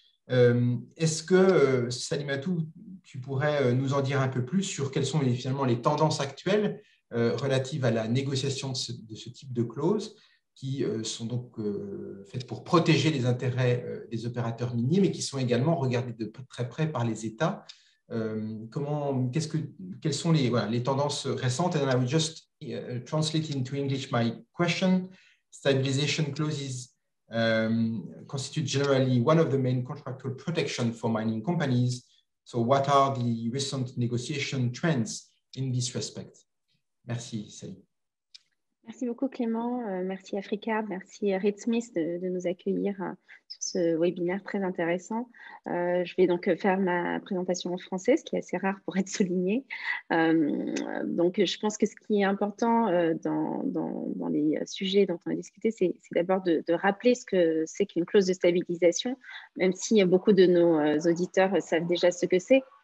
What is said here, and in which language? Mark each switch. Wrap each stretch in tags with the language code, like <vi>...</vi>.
<fr>Est-ce que, Salimatou, tu pourrais nous en dire un peu plus sur quelles sont finalement les tendances actuelles relatives à la négociation de ce type de clauses qui sont donc faites pour protéger les intérêts des opérateurs miniers, mais qui sont également regardées de très près par les États. Quelles sont les tendances récentes?</fr> <en>And I would just translate into English my question. Stabilization clauses constitute generally one of the main contractual protection for mining companies. So what are the recent negotiation trends in this respect?</en> <fr>Merci, Sally. Merci beaucoup, Clément. Merci, Africa. Merci, Reed Smith, de nous accueillir sur ce webinaire très intéressant. Je vais donc faire ma présentation en français, ce qui est assez rare pour être souligné. Donc, je pense que ce qui est important dans les sujets dont on a discuté, c'est d'abord de rappeler ce que c'est qu'une clause de stabilisation, même si beaucoup de nos auditeurs savent déjà ce que c'est.</fr>